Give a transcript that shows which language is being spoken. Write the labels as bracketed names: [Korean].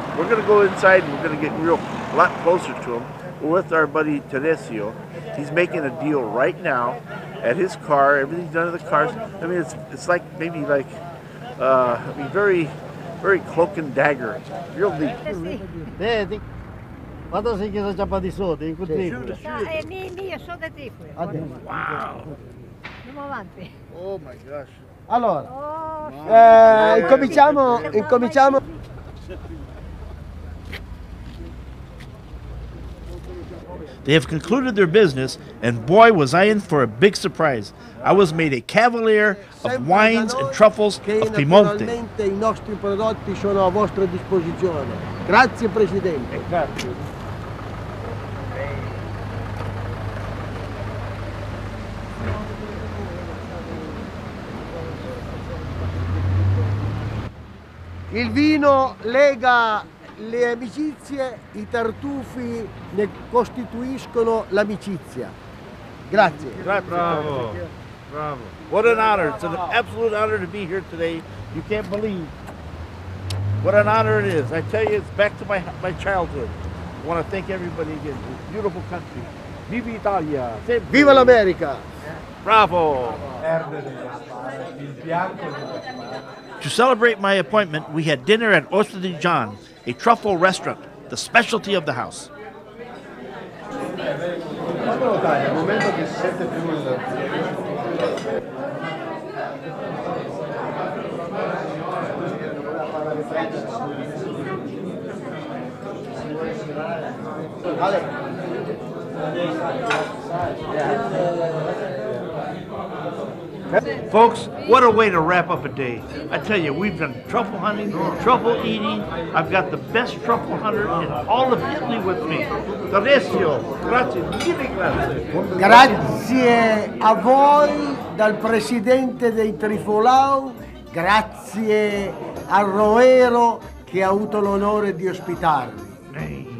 [English] We're going to go inside and we're going to get real a lot closer to him. We're with our buddy Teresio. He's making a deal right now at his car. Everything's done in the cars. I mean, it's like maybe like very, very cloak and dagger. Real neat. [Italian] Ma tu sei chiesa già di sotto, in questo tipo? Io sono da Tripoli. [English] Wow! [Italian] Andiamo avanti. [English] Oh my gosh. [Italian] Allora, incominciamo. [English] They have concluded their business, and boy, was I in for a big surprise. I was made a cavalier of wines and truffles of Piemonte. [Italian] Naturalmente i nostri prodotti sono a vostra disposizione. Grazie, Presidente. Grazie. Il vino lega le amicizie, i tartufi ne costituiscono l'amicizia. Grazie. Grazie. Bravo. Bravo. [English] What an honor. It's an absolute honor to be here today. You can't believe what an honor it is. I tell you, it's back to my childhood. I want to thank everybody again. This beautiful country. [Italian] Viva Italia. Sempre. Viva l'America. Bravo. Bravo. [English] To celebrate my appointment, we had dinner at Orto di John, a truffle restaurant, the specialty of the house. Folks, what a way to wrap up a day. I tell you, we've done truffle hunting, truffle eating. I've got the best truffle hunter in all of Italy with me. [Italian] Grazie, grazie, mille grazie. Grazie a voi dal presidente dei Trifolau, grazie a Roero che ha avuto l'onore di ospitarmi.